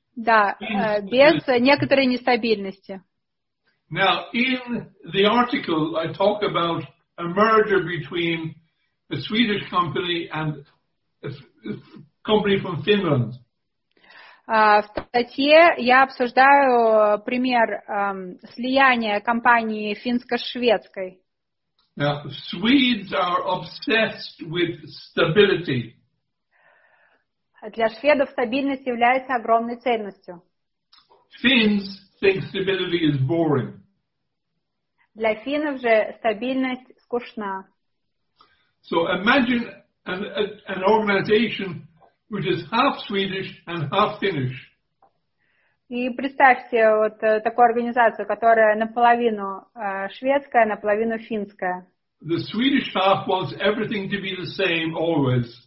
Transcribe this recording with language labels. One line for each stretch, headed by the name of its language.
Russian: Да, без некоторой нестабильности.
English: Now, in the article, I talk about a merger between a Swedish company and a company from Finland.
Russian: В статье я обсуждаю пример слияния компании финско-шведской.
English: Now, Swedes are obsessed with stability.
Russian: Для шведов стабильность является огромной ценностью.
English: Finns think stability is boring.
Russian: Для финнов же стабильность скучна.
English: So imagine an organization which is half Swedish and half Finnish.
Russian: И представьте вот такую организацию, которая наполовину шведская, наполовину финская.
English: The Swedish half wants everything to be the same always.